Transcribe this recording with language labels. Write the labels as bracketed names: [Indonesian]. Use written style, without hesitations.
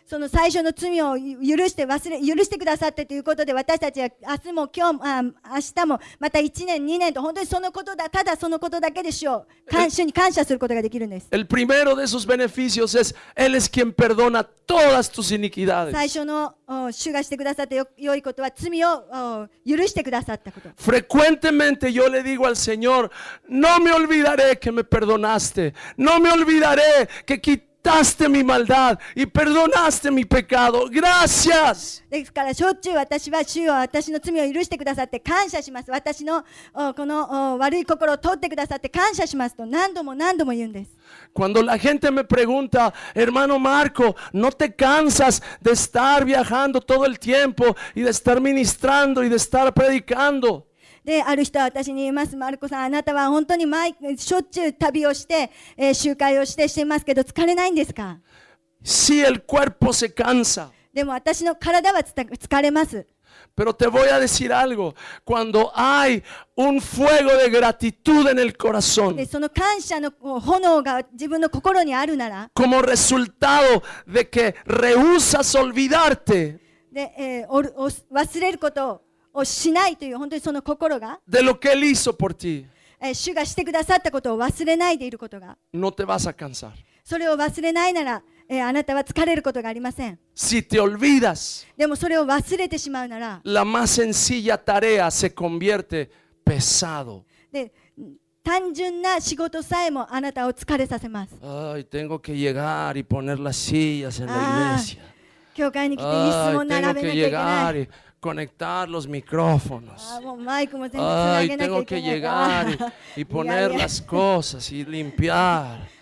[Japanese] その最初の罪を許してくださってということで私たちは明日も今日も明日もまた1年2年と本当にそのことだただそのことだけで主に感謝することができるんです。 [Spanish] El primero de sus beneficios es Él es quien perdona todas tus iniquidades. [Japanese] 最初の主がしてくださって良いことは罪を許してくださったこと。 [Spanish] Frecuentemente yo le digo al Señor No me olvidaré que me perdonaste No me olvidaré que quitaste Daste mi maldad y perdonaste mi pecado. Gracias. [Japanese] ですからしょっちゅう私は主を私の罪を許してくださって感謝します。私のこの悪い心を取ってくださって感謝しますと何度も何度も言うんです。 [Spanish] Cuando la gente me pregunta, hermano Marco, ¿no te cansas de estar viajando todo el tiempo y de estar ministrando y de estar predicando? [Japanese] で、ある人は私に言います。マルコさん、あなたは本当に毎しょっちゅう旅をして、集会をしてしていますけど、疲れないんですか？ [Spanish] Sí, el cuerpo se cansa. [Japanese] でも私の体は疲れます。 [Spanish] Pero te voy a decir algo. Cuando hay un fuego de gratitud en el corazón. [Japanese] で、その感謝の炎が自分の心にあるなら。 [Spanish] Como resultado de que rehusas olvidarte. [Japanese] で、忘れることを。をしないという本当にその心が [Spanish] de lo que él hizo por ti. [Japanese] 主がしてくださったことを忘れないでいることが [Spanish] no te vas a cansar. [Japanese] それを忘れないなら、あなたは疲れることがありません。 [Spanish] si te olvidas, [Japanese] でもそれを忘れてしまうなら [Spanish] la más sencilla tarea se convierte pesado. [Japanese] で単純な仕事さえもあなたを疲れさせます。 [Spanish] Ay, tengo que llegar y poner las sillas en la iglesia. [Japanese] 教会に来て椅子も並べなきゃいけない。 [Spanish] Conectar los micrófonos. Ay, tengo que llegar y poner las cosas y limpiar.